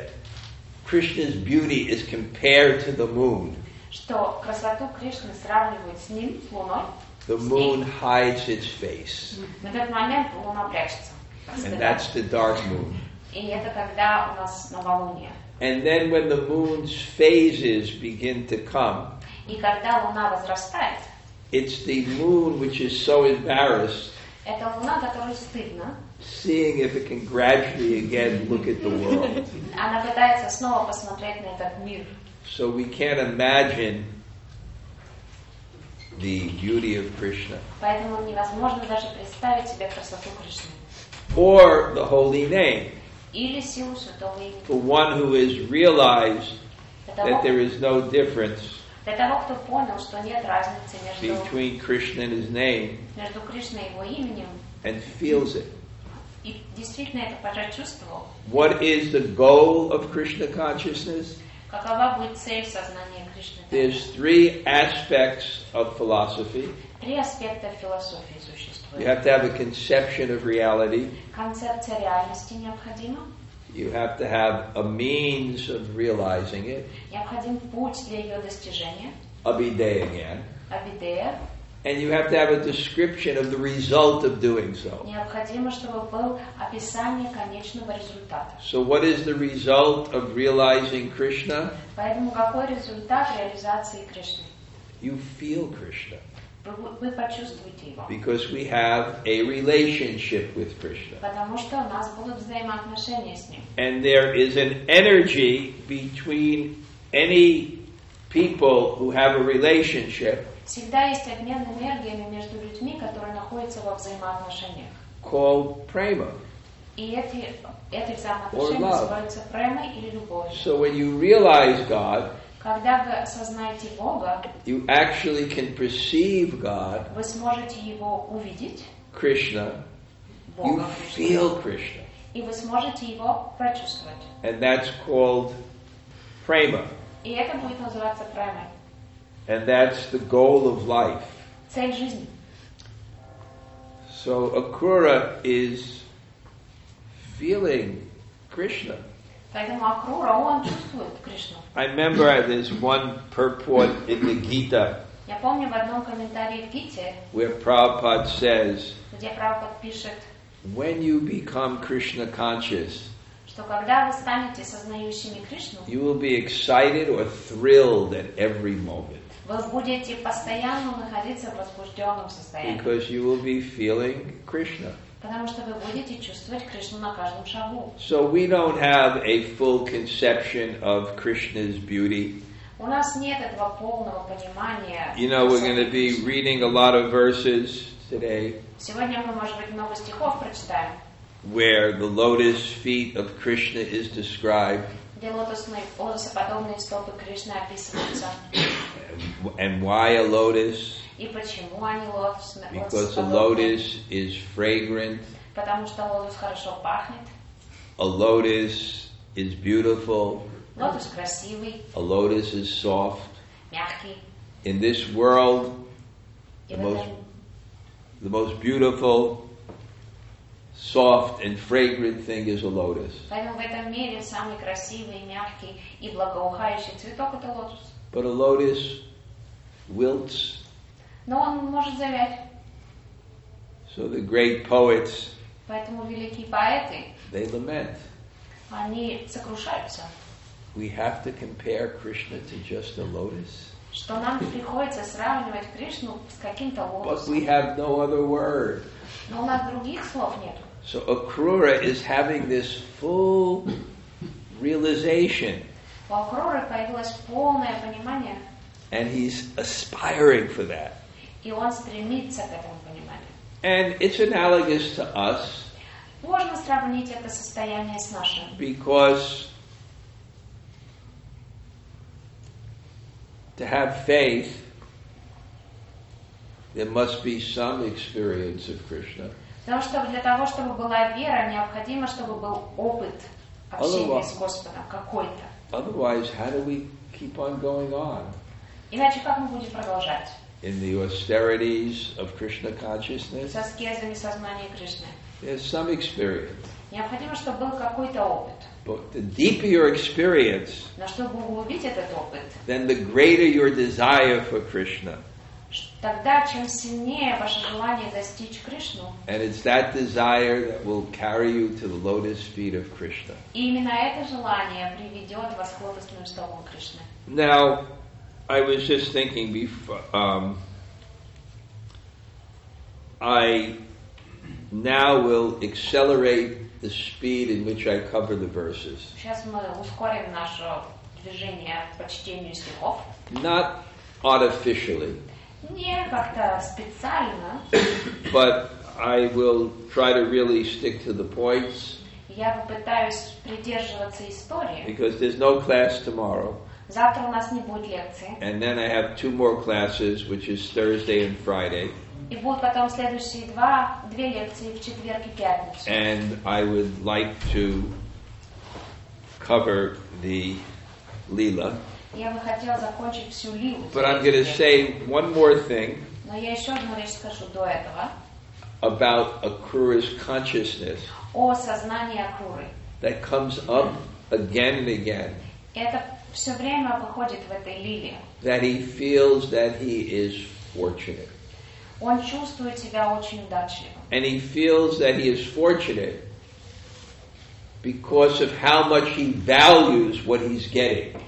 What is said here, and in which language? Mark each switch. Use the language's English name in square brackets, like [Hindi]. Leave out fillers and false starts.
[English] That Krishna's beauty is compared to the moon. [Russian] Что красоту Кришны сравнивают с ним, с луной. [English] The moon hides its face. [Russian] В этот момент луна прячется. [English] And that's the dark moon. [Russian] И это тогда у нас новолуние. [English] And then when the moon's phases begin to come. [Russian] И когда луна возрастает. [English] It's the moon which is so embarrassed. [Russian] Это луна, которой стыдно. [English] Seeing if it can gradually again look at the world. [Russian] Она пытается снова посмотреть на этот мир. [English] So we can't imagine the beauty of Krishna. [Russian] Поэтому невозможно даже представить себе красоту Кришны. [English] Or the holy name. [Russian] или силу святого имени. [English] For one who has realized that there is no difference. [Russian] Для того, кто понял, что нет разницы между [English] between Krishna and his name. [Russian] Между Кришной и его именем. [English] And feels it. [Russian] И действительно это почувствовал. [English] What is the goal of Krishna consciousness? [Russian] Какова будет цель сознания Кришны? [English] There's three aspects of philosophy. [Russian] Три аспекта философии существует. [English] You have to have a conception of reality. [Russian] Концепция реальности необходима. [English] You have to have a means of realizing it. [Russian] Необходим путь для ее достижения. [English] Abhideya again. [Russian] Abhideya. [English] And you have to have a description of the result of doing so. [Russian] Необходимо, чтобы было описание конечного результата. [English] So what is the result of realizing Krishna? [Russian] Поэтому какой результат реализации Кришны? [English] You feel Krishna. [Russian] Вы почувствуете его. [English] Because we have a relationship with Krishna. [Russian] Потому что у нас будут взаимоотношения с ним. [English] And there is an energy between any people who have a relationship. [Russian] Всегда есть обмен энергиями между людьми, которые находятся во взаимоотношениях. [English] Called prema. [Russian] И эти взаимоотношения называются премой или любовью. [English] So when you realize God, [Russian] когда вы осознаете Бога, [English] you actually can perceive God, [Russian] вы сможете его увидеть, [English] Krishna, [Russian] Бога, [English] you feel Krishna. [Russian] И вы сможете его прочувствовать. [English] And that's called prema. [Russian] И это будет называться премой. [English] And that's the goal of life. [Russian] Цель жизни. [English] So Akura is feeling Krishna. [Russian] Поэтому Акура, он чувствует Кришну. [English] I remember there's one purport in the Gita. [Russian] Я помню в одном комментарии в Гите. [English] Where Prabhupada says. [Russian] Где Прабхупад пишет. [English] When you become Krishna conscious. [Russian] Что когда вы станете сознающими Кришну. [English] You will be excited or thrilled at every moment. [Russian] Вы будете постоянно находиться в возбужденном состоянии. [English] Because you will be feeling Krishna. [Russian] Потому что вы будете чувствовать Кришну на каждом шагу. [English] So we don't have a full conception of Krishna's beauty. [Russian] У нас нет этого полного понимания. [English] You know, we're going to be reading a lot of verses today. [Russian] Сегодня мы, может быть, много стихов прочитаем. [English] Where the lotus feet of Krishna is described. [Russian] Где лотосные, лотосоподобные стопы Кришны описываются. [English] And why a lotus? [Russian] И почему они лотосные? [English] Because a lotus is fragrant. [Russian] Потому что лотос хорошо пахнет. [English] A lotus is beautiful. [Russian] Лотос красивый. [English] A lotus is soft. [Russian] Мягкий. [English] In this world, the most beautiful, soft and fragrant thing is a lotus. [Russian] Поэтому в этом мире самый красивый, мягкий и благоухающий цветок это лотос. [English] But a lotus wilts. [Russian] Но он может завять. [English] So the great poets. [Russian] Поэтому великие поэты. [English] They lament. [Russian] Они сокрушаются. [English] We have to compare Krishna to just a lotus. [Russian] Что нам приходится сравнивать Кришну с каким-то лотосом? [English] But we have no other word. [Russian] Но у нас других слов нет. [English] So Akrura is having this full realization. [Russian] У Акруры появилось полное понимание. [English] And he's aspiring for that. [Russian] И он стремится к этому пониманию. [English] And it's analogous to us. [Russian] Можно сравнить это состояние с нашим. [English] Because to have faith, there must be some experience of Krishna. [Russian] Потому что для того, чтобы была вера, необходимо, чтобы был опыт общения с Господом какой-то. [English] Otherwise, how do we keep on going on? [Russian] Иначе как мы будем продолжать? [English] In the austerities of Krishna consciousness. [Russian] С аскезами сознания Кришны. [English] There's some experience. [Russian] Необходимо, чтобы был какой-то опыт. [English] But the deeper your experience. [Russian] Но чтобы углубить этот опыт. [English] Then the greater your desire for Krishna. [Russian] Тогда чем сильнее ваше желание достичь Кришну. [English] And it's that desire that will carry you to the lotus feet of Krishna. [Russian] И именно это желание приведет вас к лотосным стопам Кришны. [English] Now, I was just thinking before. I now will accelerate the speed in which I cover the verses. [Russian] Сейчас мы ускорим наше движение по чтению стихов. [English] Not artificially. [Russian] Не как-то специально. [English] But I will try to really stick to the points. [Russian] я попытаюсь придерживаться истории. [English] Because there's no class tomorrow. [Russian] Завтра у нас не будет лекции. [English] And then I have two more classes, which is Thursday and Friday. [Russian] И будут потом следующие две лекции в четверг и пятницу. [English] And I would like to cover the Лила. [Russian] Я бы хотела закончить всю Лилу. [English] But I'm going to say one more thing. [Russian] Но я еще одну вещь скажу до этого. [English] About Акура's consciousness. [Russian] О сознании Акуры. [English] That comes up again and again. [Russian] Это все время выходит в этой Лиле. [English] That he feels that he is fortunate. [Russian] Он чувствует себя очень удачливым. [English] And he feels that he is fortunate because of how much he values what he's getting.